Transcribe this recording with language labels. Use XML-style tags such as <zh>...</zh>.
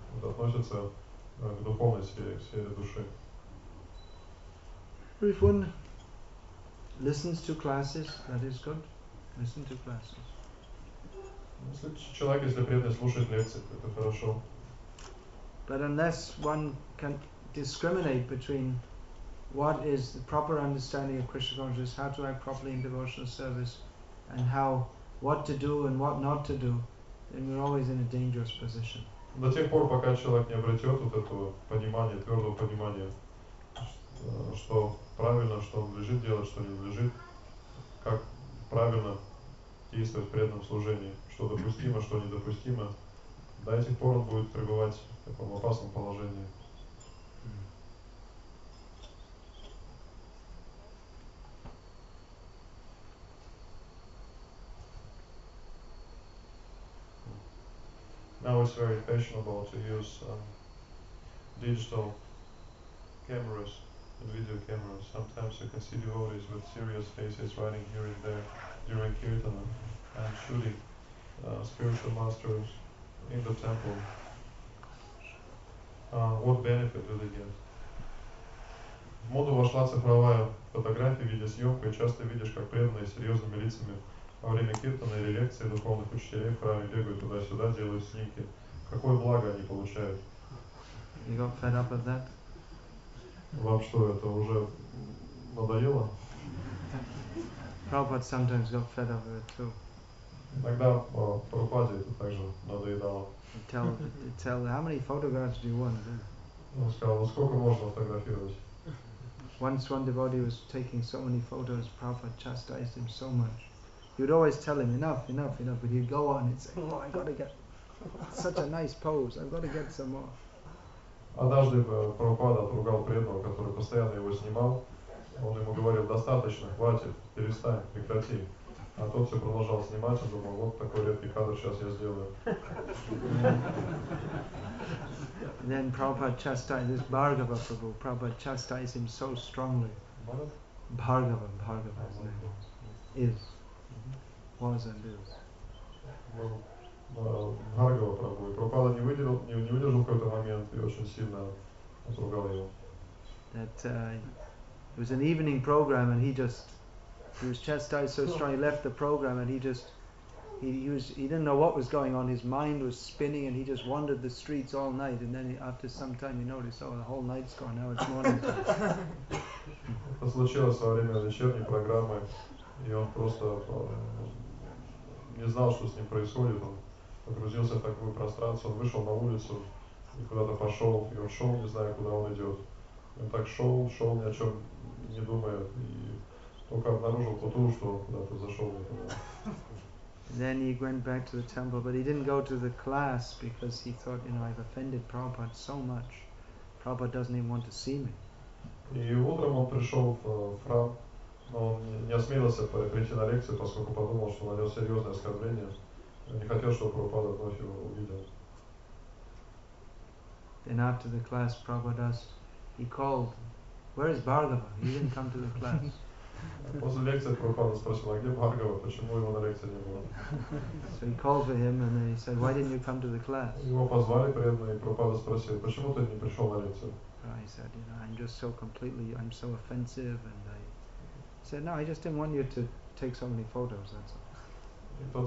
<ru>Это относится к духовной сфере, к сфере души.</ru> <en>If one listens to classes, that is good. Listen to classes.</en> <ru>Если человек, если преданный, слушает лекции, это хорошо.</ru> <en>But unless one can discriminate between what is the proper understanding of Krishna consciousness, how to act properly in devotional service, and how, what to do and what not to do, then we're always in a dangerous position.</en> <ru>До тех пор, пока человек не обретет вот этого понимания, твердого понимания, что правильно, что он лежит делать, что не лежит, как правильно действовать в преданном служении, что допустимо, что недопустимо, до этих пор он будет пребывать в таком опасном положении.</ru> <en>Now it's very fashionable to use digital cameras and video cameras. Sometimes you can see devotees with serious faces riding here and there during kirtana and shooting spiritual masters in the temple. What benefit do they get?</en> <ru>В моду вошла цифровая фотография, видеосъемка, и часто видишь, как преданные серьезными лицами во время киртана или лекции духовных учителей в храме бегают туда-сюда, делают снимки. Какое благо они получают?</ru> <en>You got fed up with that?</en> <ru>Вам что, это уже надоело?</ru> <en>Prabhupada sometimes got fed up with it too.</en> <ru>Иногда Прабхупаде это также надоедало.</ru> <en>Tell how many photographs do you want? Then?</en> <ru>Он сказал, ну сколько можно фотографировать?</ru> <en>Once one devotee was taking so many photos, Prabhupada chastised him so much. You'd always tell him, enough, but he'd go on and say, oh, I've got to get such a nice pose, I've got to get some more.</en> <ru>Однажды Прабхупада отругал преданного, который постоянно его снимал. Он ему говорил, достаточно, хватит, перестань, прекрати. А тот все продолжал снимать, и думал, вот такой редкий кадр сейчас я сделаю.</ru> <en>Then Prabhupada chastised, this Bhargava Prabhu, Prabhupada chastised him so strongly. Bhargava his name is. Was and is. Bhargava Prabhu.</en> <ru>Prabhupada не выдержал в какой-то момент и очень сильно отругал его.</ru> <en>That it was an evening program and he was chastised so strong he left the program and he didn't know what was going on. His mind was spinning and he just wandered the streets all night and then after some time he noticed, oh, the whole night's gone, now it's morning.</en> <ru>Это случилось во время вечерней программы, и он просто не знал, что с ним происходит. Он погрузился в такую пространство, он вышел на улицу и куда-то пошел, и он шел, не зная, куда он идет. Он так шел, ни о чем не думая, и только обнаружил ту, что куда-то зашел.</ru> <en>Then he went back to the temple, but he didn't go to the class because he thought, you know, I've offended Prabhupada so much. Prabhupada doesn't even want to see me.</en> <ru>И утром он пришел в храм, но он не осмелился прийти на лекцию, поскольку подумал, что нанес серьезное оскорбление. Не хотел, чтобы Прабхупада вновь его увидел.</ru> <en>Then after the class, Prabhupada asked, he called, where is Bhargava? He didn't come to the class.</en> <ru>После лекции Прабхупада спросил, а где Бхаргава, почему его на лекции не было?</ru> <en>So he called for him and then he said, why didn't you come to the class?</en> <ru>Его позвали преданно, и Прабхупада спросил, почему ты не пришел на лекцию?</ru> <en>I said, you know, I'm just so completely, I'm so offensive, and I said, no, I just didn't want you to take so many photos, that's all.</en>